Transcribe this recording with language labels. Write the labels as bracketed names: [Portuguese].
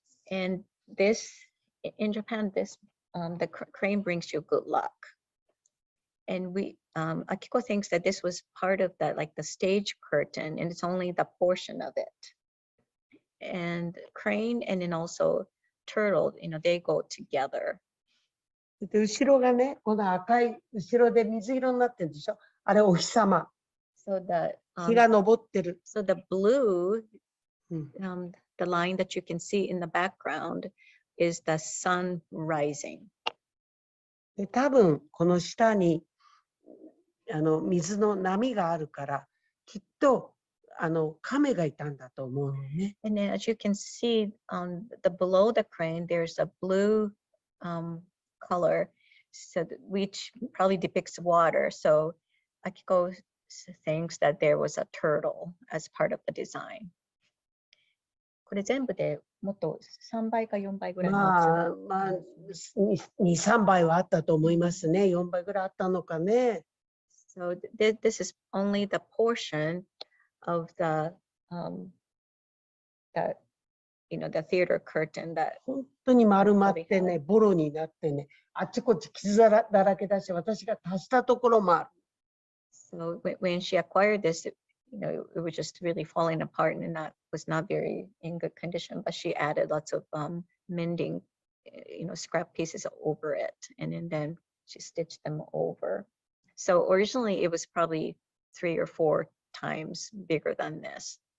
[English] And thisIn Japan, the crane brings you good luck. And Akiko thinks that this was part of that, like the stage curtain, and it's only the portion of it. And crane and then also turtle, you know, they go together. [Japanese] で、後ろがね、この赤い後ろで水色になってるでしょ。あれお日様。 [English] So the, [Japanese] 日が昇ってる。 [English] So the blue, the line that you can see in the background,is the sun rising. [Japanese] で、多分この下にあの水の波があるから、きっとあの亀がいたんだと思うのね。 [English] And then, as you can see on the below the crane, there's a blue color, so which probably depicts water. So Akiko thinks that there was a turtle as part of the design. [Japanese] これ全部でもっと3倍か4倍ぐらいの、まあ、2、3倍はあったと思いますね。 4倍ぐらいあったのかね。 [English] So this is only the portion of the, you know, the theater curtain that [Japanese] 本当に丸まってね、ボロになってね、あっちこっち傷だらけだし、私が足したところもある。 [English] So when she acquired this,You know, it was just really falling apart and that was not very in good condition, but she added lots of mending, you know, scrap pieces over it. And then she stitched them over. So originally it was probably three or four times bigger than this.